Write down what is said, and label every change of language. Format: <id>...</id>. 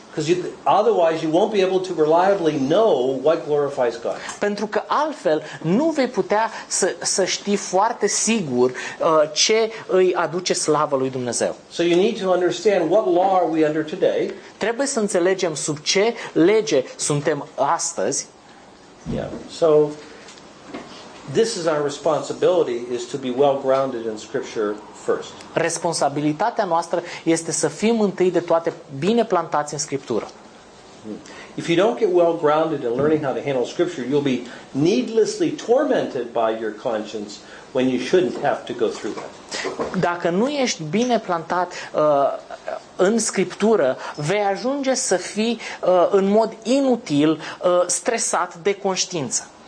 <en>Because otherwise you won't be able to reliably know what glorifies God.</en> <ro>Pentru că altfel nu vei putea să știi foarte sigur ce îi aduce slavă lui Dumnezeu.</ro> <en>So you need to understand what law are we under today.</en> <ro>Trebuie să înțelegem sub ce lege suntem astăzi.</ro> <en>Yeah. So This is our responsibility, is to be well grounded in Scripture first.</en> <ro>Responsabilitatea noastră este să fim întâi de toate bine plantați în Scriptură.</ro> <en>If you don't get well grounded in learning how to handle Scripture, you'll be needlessly tormented by your conscience when you shouldn't have to go through that.</en> <ro>Dacă nu ești bine plantat în Scriptură, vei ajunge să fii în mod inutil stresat de conștiință.</ro>